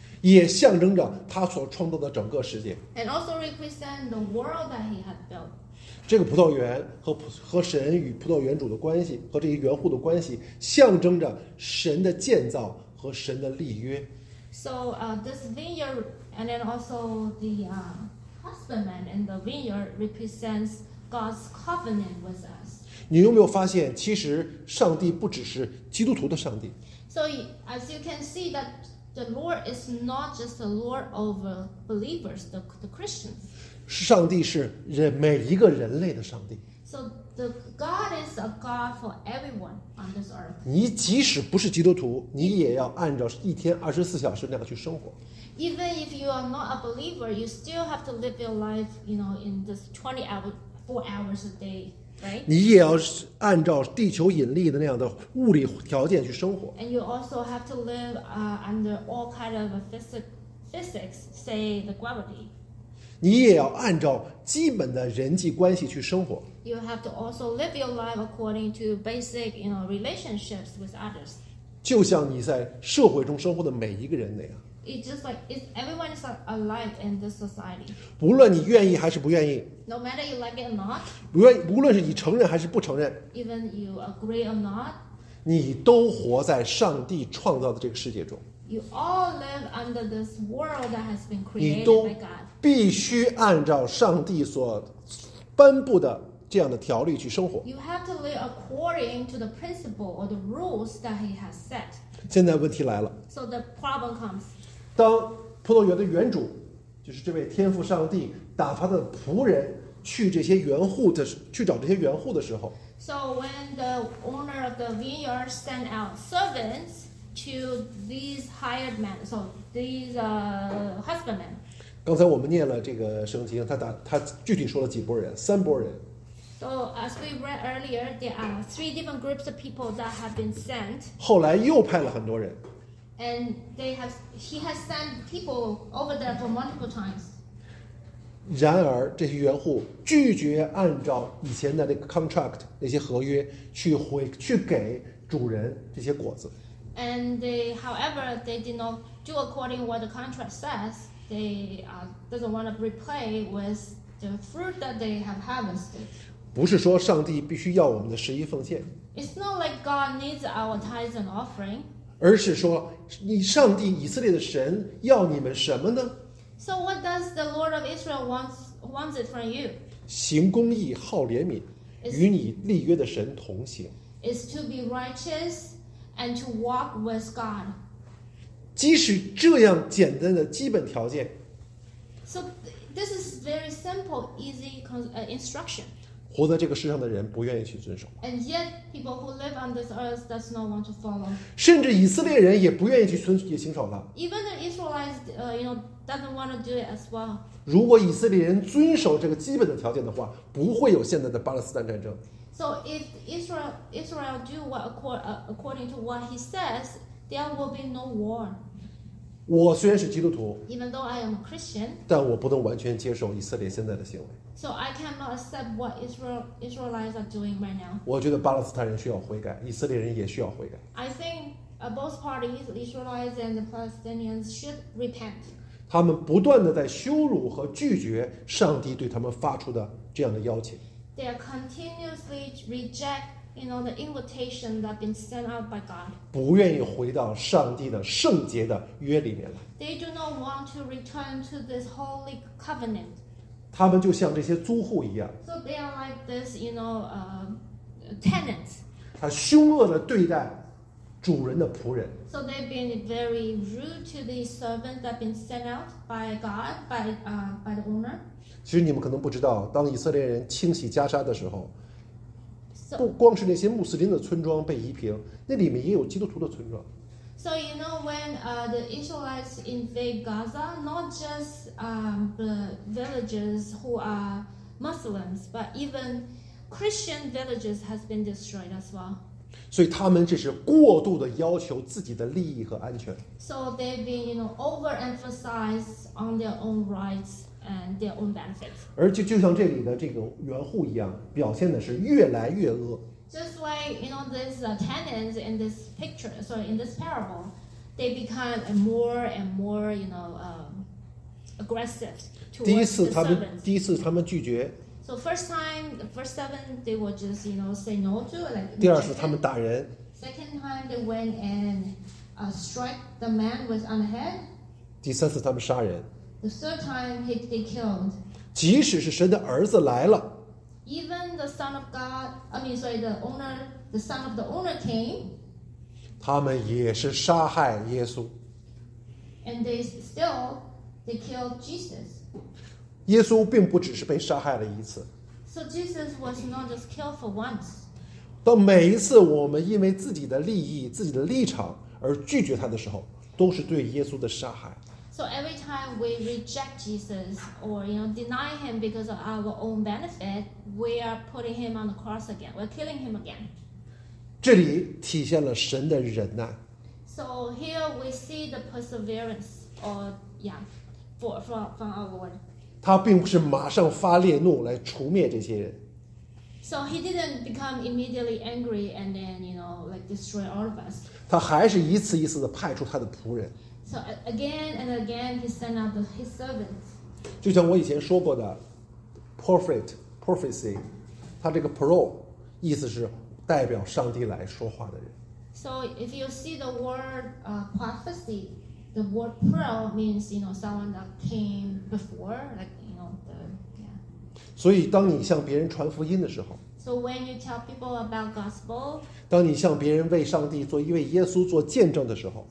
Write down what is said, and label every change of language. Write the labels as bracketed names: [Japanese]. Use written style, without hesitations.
[Chinese] 也象征着他所创造的整个世界。 [English] And also represents the world that he had built. [Chinese] 这个葡萄园和神与葡萄园主的关系，和这些园户的关系，象征着神的建造和神的立约。 [English] So this vineyard and then also the husbandman and the vineyard represents God's covenant with us. [Chinese] 你有没有发现，其实上帝不只是基督徒的上帝。 [English] So as you can see that the Lord is not just the Lord over believers, the Christians. [Chinese] 上帝是人每一个人类的上帝。 [English] So the God is a God for everyone on this earth. [Chinese] 你即使不是基督徒，你也要按照一天二十四小时那样去生活。 [English] Even if you are not a believer, you still have to live your life, you know, in this 24 hours a day, right? [Chinese] 你也要按照地球引力的那样的物理条件去生活。 [English] And you also have to live under all kind of physics, say the gravity. [Chinese] 你也要按照基本的人际关系去生活。 [English] You have to also live your life according to basic, you know, relationships with others. [Chinese] 就像你在社会中生活的每一个人那样。 [English] It's just like it's everyone is alive in this society. [Chinese] 不论你愿意还是不愿意。 [English] No matter you like it or not. [Chinese] 不论是你承认还是不承认。 [English] Even you agree or not. [Chinese] 你都活在上帝创造的这个世界中。 [English] You all live under this world that has been created by God. [Chinese] 必须按照上帝所颁布的这样的条例去生活。 [English] You have to live according to the principle or the rules that he has set. [Chinese] 现在问题来了。 [English] So the problem comes. [Chinese] 当葡萄园的园主，就是这位天父上帝，打发的仆人去这些园户的去找这些园户的时候。 [English] So when the owner of the vineyard sent out servants to these hired men, so these husbandmen. [Chinese] 刚才我们念了这个圣经，他具体说了几拨人，三拨人。 [English] So as we read earlier, there are three different groups of people that have been sent. [Chinese] 后来又派了很多人。 [English] And he has sent people over there for multiple times. [Chinese] 然而这些园户拒绝按照以前的那个 contract 那些合约去给主人这些果子。 [English] And however, they did not do according what the contract says. They doesn't want to replay with the fruit that they have harvested. [Chinese] 不是说上帝必须要我们的十一奉献。 [English] It's not like God needs our tithes and offering. [Chinese] 而是说，你上帝以色列的神要你们什么呢 [English] ？So what does the Lord of Israel wants it from you? [Chinese] 行公义，好怜悯，与你立约的神同行。 [English] Is to be righteous and to walk with God. [Chinese] 即使这样简单的基本条件 [English] ，So this is very simple, easy instruction. [Chinese] 活在这个世上的人不愿意去遵守。 [English] And yet, people who live on this earth does not want to follow. [Chinese] 甚至以色列人也不愿意去行守了。 [English] Even the Israelites, you know, doesn't want to do it as well. [Chinese] 如果以色列人遵守这个基本的条件的话，不会有现在的巴勒斯坦战争。 [English] So if Israel do what according to what he says. There will be no war. [Chinese] 我虽然是基督徒 [English] ，Even though I am a Christian， [Chinese] 但我不能完全接受以色列现在的行为。 [English] So I cannot accept what Israelites are doing right now. [Chinese] 我觉得巴勒斯坦人需要悔改，以色列人也需要悔改。 [English] I think both parties, Israelites and the Palestinians, should repent. [Chinese] 他们不断的在羞辱和拒绝上帝对他们发出的这样的邀请。 [English] They are continuously reject, you know, the invitation that been sent out by God. [Chinese] 不愿意回到上帝的圣洁的约里面来。 [English] They do not want to return to this holy covenant. [Chinese] 他们就像这些租户一样。 [English] So they are like this, you know, tenants. [Chinese] 他凶恶的对待主人的仆人。 [English] So they've been very rude to the servant that been sent out by God, by the owner. [Chinese] 其实你们可能不知道，当以色列人清洗加沙的时候，不光是那些穆斯林的村庄被夷平，那里面也有基督徒的村庄。 [English] So you know when the Israelites invade Gaza, not just the villages who are Muslims, but even Christian villages has been destroyed as well. [Chinese] 所以他们只是过度的要求自己的利益和安全。 [English] So they've been, you know, overemphasized on their own rights. And their own benefits. [Chinese] 而且就像这里的这个园户一样，表现的是越来越恶。 [English] Just like you know, these tenants in this picture, sorry, in this parable, they become more and more, you know, aggressive towards the servants. [Chinese] 第一次他们拒绝。 [English] So first time, the first seven, they would just you know say no to like. [Chinese] 第二次他们打人。 [English] Second time, they went and strike the man with on the head. [Chinese] 第三次他们杀人。 [English] The third time he killed. [Chinese] 即使是神的儿子来了 [English] ，Even the son of God, I mean, sorry, the owner, the son of the owner came. [Chinese] 他们也是杀害耶稣。 [English] And they still they killed Jesus. [Chinese] 耶稣并不只是被杀害了一次。 [English] So Jesus was not just killed for once. [Chinese] 到每一次我们因为自己的利益、自己的立场而拒绝他的时候，都是对耶稣的杀害。 [English] So every time we reject Jesus or you know deny him because of our own benefit, we are putting him on the cross again. We're killing him again. [Chinese] 这里体现了神的忍耐。 [English] So here we see the perseverance, or yeah, from our Lord. [Chinese] 他并不是马上发烈怒来除灭这些人。 [English] So he didn't become immediately angry and then you know like destroy all of us. [Chinese] 他还是一次一次的派出他的仆人。 [English] So again and again, he sent out his servants. [Chinese] 就像我以前说过的 [English] prophet, prophecy, [Chinese] 他这个 pro, 意思是代表上帝来说话的人。 [English] So if you see the word prophecy, the word pro means, you know, someone that came before, like, you know, the, yeah. [Chinese] 所以当你向别人传福音的时候 [English] So when you tell people about gospel, [Chinese] 当你向别人为上帝做一位耶稣做见证的时候